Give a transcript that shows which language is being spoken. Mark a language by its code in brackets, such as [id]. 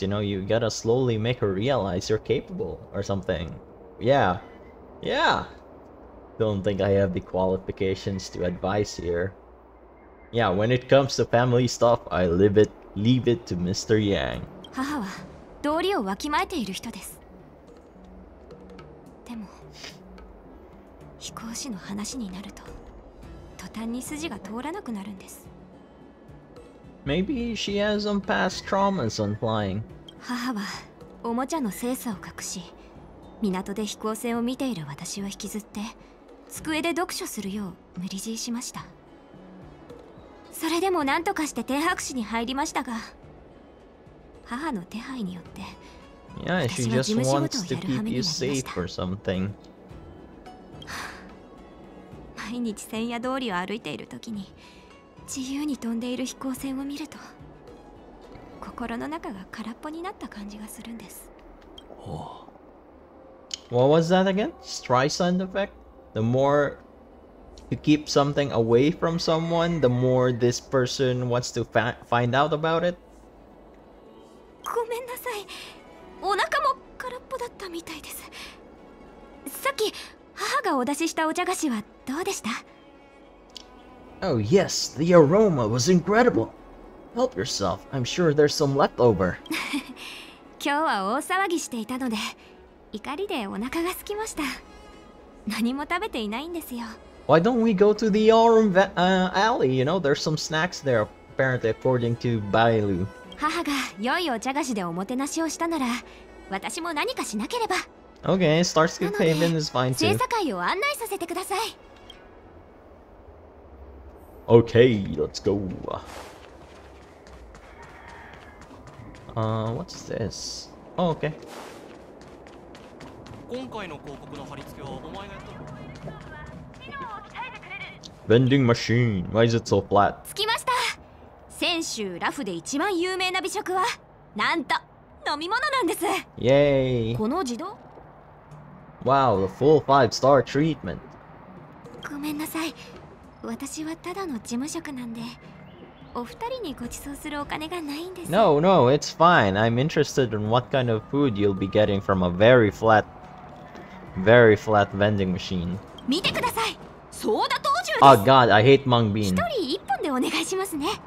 [en] You know, you gotta slowly make her realize you're capable or something. Yeah. Yeah! Don't think I have the qualifications to advise here. Yeah, when it comes to family stuff, I leave it to Mr. Yang. [ja] 母は道理をわきまえている人です。でも、飛行士の話になると、途端に筋が通らなくなるんです。 [en] Maybe she has some past traumas on flying. [ja] 母はおもちゃの精査を隠し、港で飛行船を見ている私を引きずって机で読書するよう無理強いしました。それでも何とかして天白市に入りましたが、母の手配によって私は事務仕事をやる羽目になりました。毎日千夜通りを歩いているときに自由に飛んでいる飛行船を見ると、心の中が空っぽになった感じがするんです。 [en] What was that again? Streisand effect? The more you keep something away from someone, the more this person wants to find out about it? [ja] ごめんなさい。お腹も空っぽだったみたいです。さっき母がお出ししたお茶菓子はどうでした？ [en] Oh yes, the aroma was incredible. Help yourself. I'm sure there's some leftover. [ja] 今日は大騒ぎしていたので。怒りでお腹が空きました。何も食べていないんですよ。 [en] Why don't we go to the Aurum Alley? You know, there's some snacks there, apparently, according to Bailu. [ja] 母が良いお茶菓子でおもてなしをしたなら、私も何かしなければ。 [en] Okay, Starsky Haven is fine too. [ja] 聖坂を案内させてください。 [en] Okay, let's go. What's this? Oh, okay. Vending machine. Why is it so flat? [ja] 先週ラフで一番有名な美食はなんと飲み物なんです。 [en] Yay! [ja] この自動? [en] Wow, the full 5-star treatment. [ja] ごめんなさい。私はただの事務職なんで、お二人にご馳走するお金がないんです。 [en] No, no, it's fine. I'm interested in what kind of food you'll be getting from a very flat vending machine. [ja] 見てください。ソーダ豆汁です。 [en] Oh god, I hate mung bean. [ja] 一人一本でお願いしますね。